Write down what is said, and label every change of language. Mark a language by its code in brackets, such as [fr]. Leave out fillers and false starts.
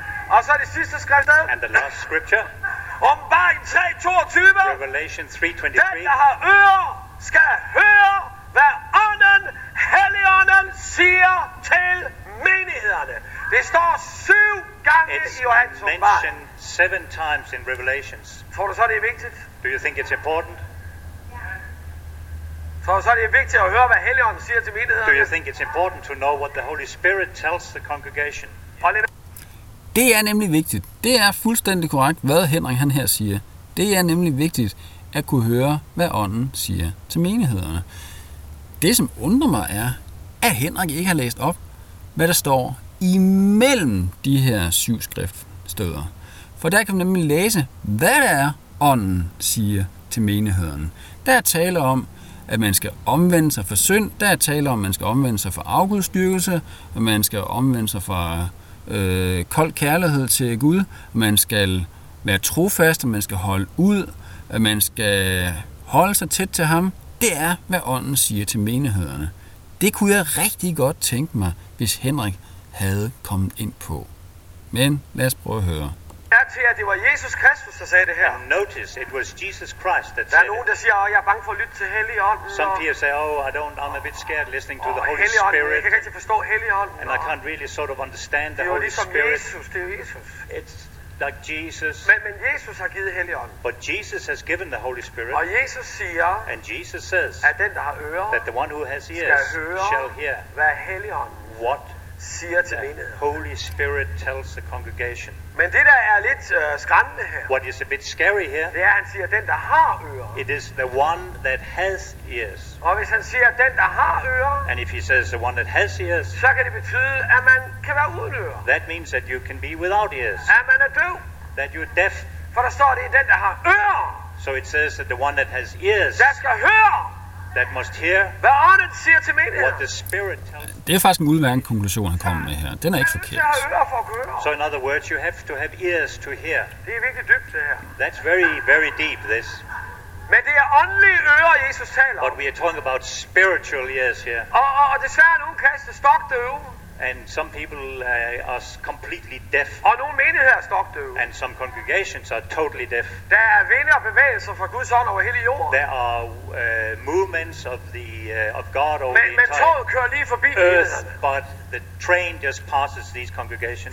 [da] Og så det sidste skrift. [en] And the last scripture. [da] Åbenbaring 3:22. [en] Revelation 3:23. [da] Den der har ører skal høre, hvad Ånden, Helligånden siger til menighederne. Det står 7 gange [en] it's [da] i Johannes Åbenbaring. [en] It's mentioned 7 times in Revelations. [da] Tror du så det er vigtigt? [en] Do you think it's important? [da] Ja. Tror du så det er vigtigt at høre, hvad Helligånden siger til menighederne? Do you think it's important to know what the Holy Spirit tells the congregation? Det er nemlig vigtigt. Det er fuldstændig korrekt, hvad Henrik han her siger. Det er nemlig vigtigt at kunne høre, hvad Ånden siger til menighederne. Det, som undrer mig, er, at Henrik ikke har læst op, hvad der står imellem de her 7 skriftsteder. For der kan man nemlig læse, hvad der er, Ånden siger til menighederne. Der er tale om, at man skal omvende sig for synd. Der er tale om, at man skal omvende sig for afgudsdyrkelse. Og man skal omvende sig for... kold kærlighed til Gud, man skal være trofast, man skal holde ud, man skal holde sig tæt til ham. Det er, hvad Ånden siger til menighederne. Det kunne jeg rigtig godt tænke mig, hvis Henrik havde kommet ind på. Men lad os prøve at høre. Jeg til, at det var Jesus Kristus, der sagde det her. [en] And notice, it was Jesus Christ that said. [da] Der er nogen, der siger, jeg er bange for at lytte til Helligånden. [en] Some people say, I'm a bit scared listening to the Holy [da] Helligånden. [en] Spirit. [da] Helligånden, jeg kan ikke forstå Helligånden. [en] And I can't really sort of understand the Holy [da] ligesom [en] Spirit. [da] Det er Jesus, det er Jesus. [en] It's like Jesus. [da] Men Jesus har givet Helligånden. [en] But Jesus has given the Holy Spirit. [da] Og Jesus siger. [en] And Jesus says. [da] At den der har ører. [en] That the one who has ears shall hear. [da] Hvad Helligånden. [en] What [da] siger til menigheden. [en] Holy Spirit tells the congregation. [da] Men det der er lidt skræmmende her. [en] What is a bit scary here? [da] Det er, han siger, den der har ører. [en] It is the one that has ears. [da] Og hvis han siger, den der har ører. [en] And if he says the one that has ears. [da] Så kan det betyde, at man kan være uden ører. [en] That means that you can be without ears. [da] At man er døv. [en] That you're deaf. [da] For der står det, den der har ører. [en] So it says that the one that has ears. [da] Der skal høre. [en] That must hear. [da] Hvad ånden siger til menigheden. [en] What the Spirit tells. [da] Det er faktisk en udmærket konklusion, han kommer med her. Den er ikke forkert. Jeg har ører for at høre. [en] So in other words, you have to have ears to hear. [da] Det er virkelig dybt, det her. [en] That's very, very deep, this. [da] Men det er åndelige ører, Jesus taler. [en] But we are talking about spiritual ears here. [da] Og desværre er nogle kaster stokdøve. [en] And some people are completely deaf. [da] Og nogle menigheder er stokdøve. [en] And some congregations are totally deaf. [da] Der er vinde og bevægelser fra Guds ånd over hele jorden. [en] There are movements of the of God over [da] men, [en] the entire earth. [da] Men toget kører lige forbi [en] earth, but the train just passes these congregations.